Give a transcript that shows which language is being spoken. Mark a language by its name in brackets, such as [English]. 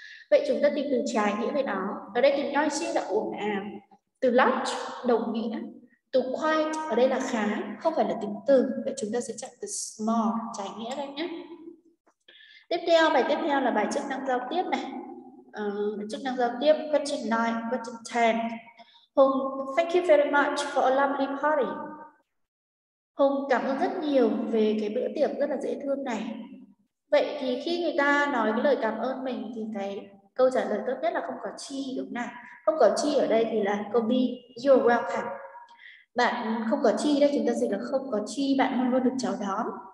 [Vietnamese] Vậy chúng ta tìm từ trái nghĩa về nó. Ở đây thì noisy là ồn ào. Từ large đồng nghĩa. Từ quiet ở đây là khá, không phải là tính từ. Vậy chúng ta sẽ chọn từ small trái nghĩa đây nhé. Tiếp theo, bài tiếp theo là bài chức năng giao tiếp này. Chức năng giao tiếp, [English] question 9, question 10. Hùng, thank you very much for a lovely party. [Vietnamese] Hùng cảm ơn rất nhiều về cái bữa tiệc rất là dễ thương này. Vậy thì khi người ta nói cái lời cảm ơn mình thì cái câu trả lời tốt nhất là không có chi, đúng nào? Không có chi ở đây thì là câu B, [English] you're welcome. [Vietnamese] Bạn không có chi đây, chúng ta dịch là không có chi, bạn luôn luôn được chào đón.